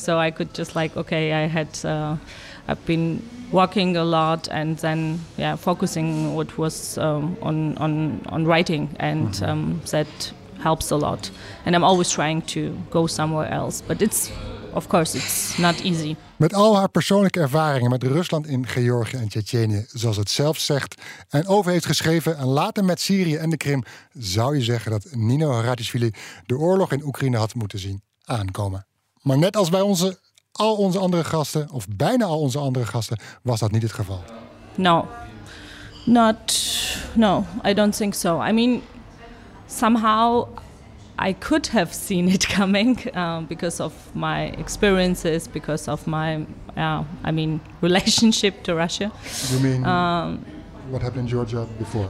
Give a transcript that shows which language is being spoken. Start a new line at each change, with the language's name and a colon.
English: So I could just like, okay, I've been walking a lot, and then, focusing what was on writing, and mm-hmm. That helps a lot. And I'm always trying to go somewhere else, but it's, of course, it's not easy.
Dutch: Met al haar persoonlijke ervaringen met Rusland in Georgië en Tsjetsjenië, zoals het zelf zegt, en over heeft geschreven, en later met Syrië en de Krim, zou je zeggen dat Nino Haratischvili de oorlog in Oekraïne had moeten zien aankomen. Maar net als bij al onze andere gasten, of bijna al onze andere gasten, was dat niet het geval.
English: No, I don't think so. I mean, somehow I could have seen it coming because of my experiences, because of my, relationship to Russia. You mean what happened in Georgia before?